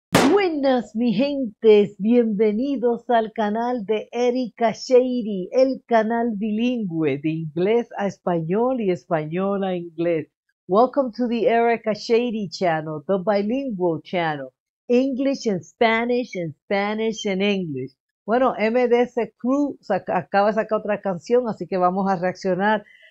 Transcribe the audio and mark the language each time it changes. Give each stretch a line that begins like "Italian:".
Spanish: Buenas, mi gentes, bienvenidos al canal de Erika Sheiri, el canal bilingüe de inglés a español y español a inglés.
English: Welcome to the Erika Sheiri channel, the bilingual channel, English and Spanish and Spanish and English.
Spanish: Bueno, MDS Crew acaba de sacar otra canción, así que vamos a reaccionar.